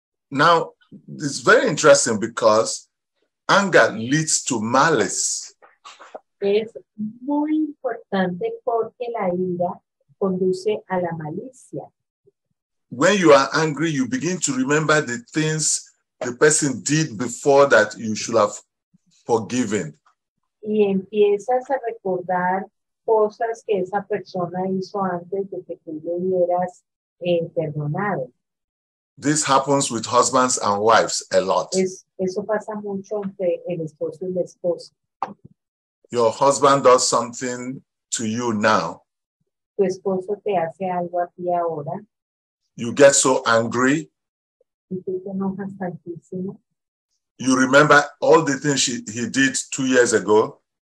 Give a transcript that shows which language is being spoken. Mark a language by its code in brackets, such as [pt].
[en] Now, it's very interesting because anger leads to malice. [es] Es muy importante porque la ira conduce a la malicia. [en] When you are angry, you begin to remember the things the person did before that you should have forgiven. [es] y empiezas a recordar cosas que esa persona hizo antes de que tú lo hubieras perdonado. [en] This happens with husbands and wives a lot. [es] Eso pasa mucho entre el esposo y la esposa. [en] Your husband does something to you now. [es] Tu esposo te hace algo a ti ahora. [en] You get so angry. [es] Y tú te enojas tantísimo. [en] You remember all the things he did 2 years ago.